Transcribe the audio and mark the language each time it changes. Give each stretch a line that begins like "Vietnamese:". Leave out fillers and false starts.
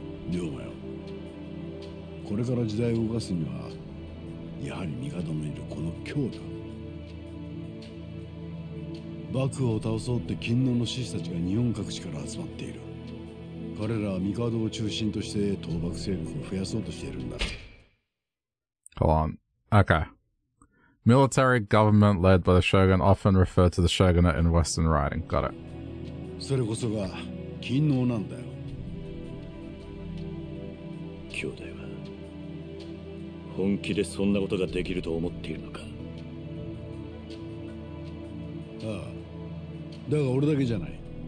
Japanese: 龍馬よ、これから時代を動かすにはやはり帝のいるこの京だ。幕府を倒そうって勤皇の志士たちが日本各地から集まっている。彼らは帝を中心として倒幕勢力を増やそうとしているんだ。
English: Hold on. Okay. Military government led by the shogun often referred to the shogunate in Western writing. Got it.
Japanese: それこそが勤皇なんだよ。兄弟は本気でそんなことができると思っているのか。ああ。だが俺だけじゃない。